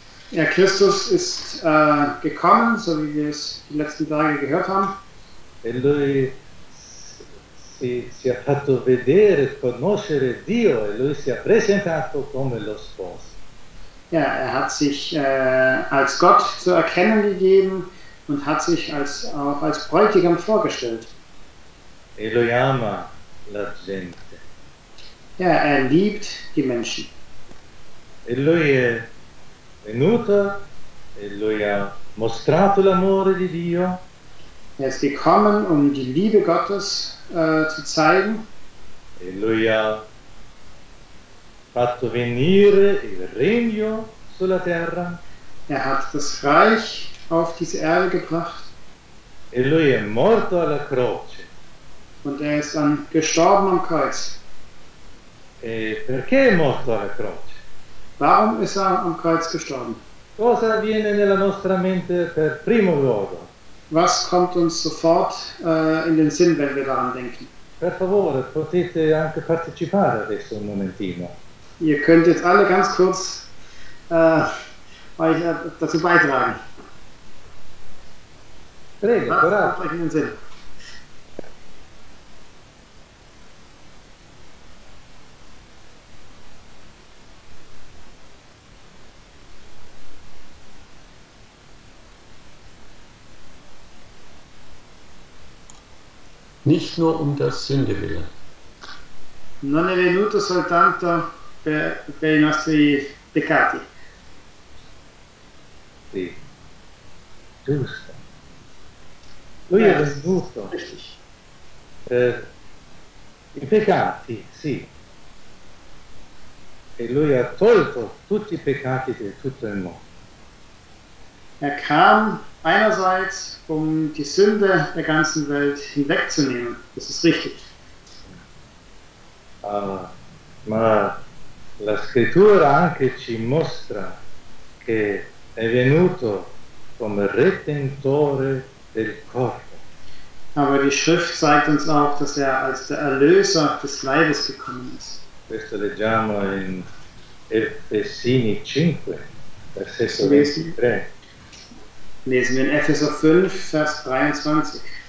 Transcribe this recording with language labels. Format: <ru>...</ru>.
<de>Ja, Christus ist gekommen, so wie wir es die letzten Tage gehört haben.</de> <it>E lui si è fatto vedere, conoscere Dio, e lui si è presentato come lo sposo.</it> <de>Ja, er hat sich als Gott zu erkennen gegeben und hat sich als, auch als Bräutigam vorgestellt.</de> <it>E lui ama la gente.</it> <de>Ja, er liebt die Menschen.</de> <it>E lui è venuto e lui ha mostrato l'amore di Dio.</it> <de>Er ist gekommen, um die Liebe Gottes zu zeigen.</de> <it>E lui ha fatto venire il regno sulla terra.</it> <de>Er hat das Reich auf diese Erde gebracht.</de> <it>E lui è morto alla croce.</it> <de>Und er ist dann gestorben am Kreuz.</de> <it>E perché è morto alla croce?</it> <de>Warum ist er am Kreuz gestorben?</de> <it>Cosa avviene nella nostra mente per primo luogo?</it> <de>Was kommt uns sofort in den Sinn, wenn wir daran denken?</de> <it>Per favore, potete anche partecipare adesso un momentino.</it> <de>Ihr könnt jetzt alle ganz kurz dazu beitragen.</de> <it>Prego, coraggio.</it> <de>Nicht nur um der Sünde willen.</de> <it>Non è venuto soltanto per i nostri peccati. Sì. Giusto. Lui è venuto. I peccati, sì. E lui ha tolto tutti i peccati di tutto il mondo.</it> <de>Er kam einerseits, um die Sünde der ganzen Welt hinwegzunehmen. Das ist richtig.</de> <it>Ma la scrittura anche ci mostra che è venuto come Redentore del corpo.</it> <de>Aber die Schrift zeigt uns auch, dass er als der Erlöser des Leibes gekommen ist.</de> <it>Questo leggiamo in Efesini 5, versetto 23.</it> <de>Lesen wir in Epheser 5, Vers 23.</de>